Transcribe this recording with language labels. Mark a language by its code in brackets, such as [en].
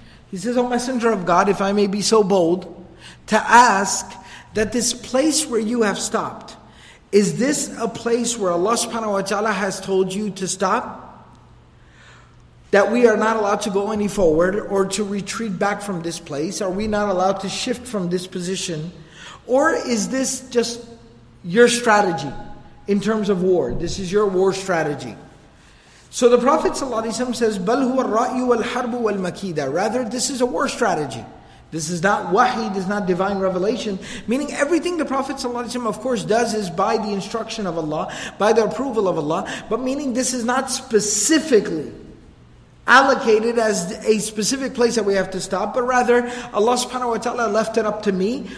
[en] He says, O Messenger of God, if I may be so bold to ask that this place where you have stopped, is this a place where Allah subhanahu wa ta'ala has told you to stop? That we are not allowed to go any forward or to retreat back from this place? Are we not allowed to shift from this position? Or is this just your strategy in terms of war? This is your war strategy. So the Prophet ﷺ says, [ar] بَلْ هُوَ الرَّأْيُ وَالْحَرْبُ وَالْمَكِيدَ. [en] Rather, this is a war strategy. This is not wahi, this is not divine revelation. Meaning everything the Prophet ﷺ of course does is by the instruction of Allah, by the approval of Allah. But meaning this is not specifically allocated as a specific place that we have to stop, but rather Allah subhanahu wa ta'ala left it up to me.